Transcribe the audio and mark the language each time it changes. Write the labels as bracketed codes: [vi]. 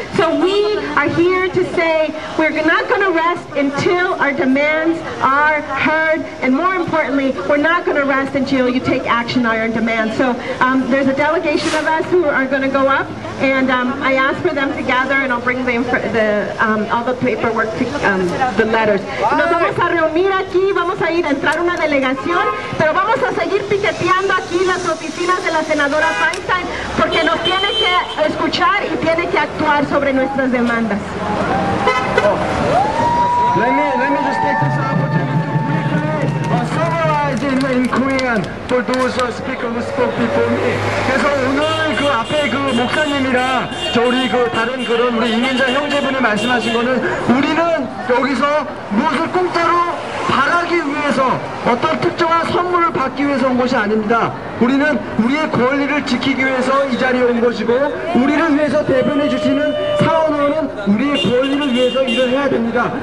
[en] So we are here to say we're not going to rest until our demands are heard, and more importantly, we're not going to rest until you take action on our demands. So there's a delegation of us who are going to go up, and I ask for them to gather, and I'll bring them all the paperwork, the letters. [es] Nos vamos a reunir aquí, vamos a ir a entrar una delegación, pero vamos a seguir piqueteando aquí las oficinas de la senadora Feinstein, porque nos tiene que escuchar y tiene que actuar sobre nuestras demandas. [en] Let me just take this opportunity to briefly summarize in Korean for those speakers who spoke before me. [ko] 그래서 오늘 그 앞에 그 목사님이랑 저 우리 그 다른 그런 우리 이민자 형제분이 말씀하신 거는 우리는 여기서 무엇을 공짜로 바라기 위해서 어떤 특정한 선물을 받기 위해서 온 것이 아닙니다. 우리는 우리의 권리를 지키기 위해서 이 자리에 온 것이고, 우리를 위해서 대변해 주시는 사원원은 우리의 권리를 위해서 일을 해야 됩니다.